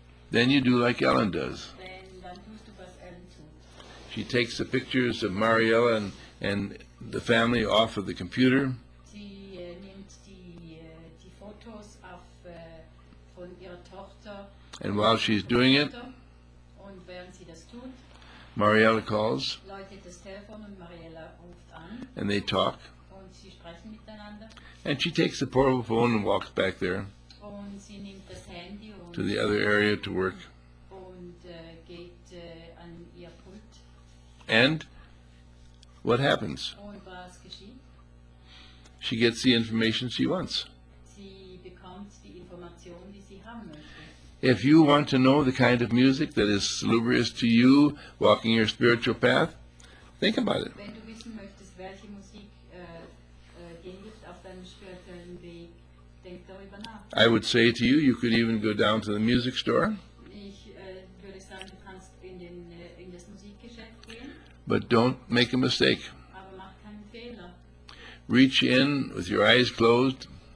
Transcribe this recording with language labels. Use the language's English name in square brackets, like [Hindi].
[English] Then you do like Ellen does. [German] Dann tust du, was Ellen tut. [English] She takes the pictures of Mariella and the family off of the computer. [German] Sie nimmt die Fotos auf, von ihrer Tochter. [English] And while she's doing it, [German] und während sie das tut, [English] Mariella calls. [German] Läutet das Telefon und Mariella ruft an. [English] And they talk. [German] Und sie sprechen miteinander. [English] And she takes the portable phone and walks back there. [German] Und sie nimmt das Handy und [English] to the other area to work. [German] Und geht an ihr Pult. [English] And what happens? [German] Und was geschieht? [English] She gets the information she wants. [German] Sie bekommt die Information, die sie haben möchte. [English] If you want to know the kind of music that is salubrious to you walking your spiritual path, think about it. [German] Wenn du wissen möchtest, welche Musik dir hilft auf deinem spirituellen Weg, denk darüber nach. [English] I would say to you, you could even go down to the music store. [German] Ich würde sagen, du kannst in das Musikgeschäft gehen. [English] But don't make a mistake. [German] Aber mach keinen Fehler. [English] Reach in with your eyes closed.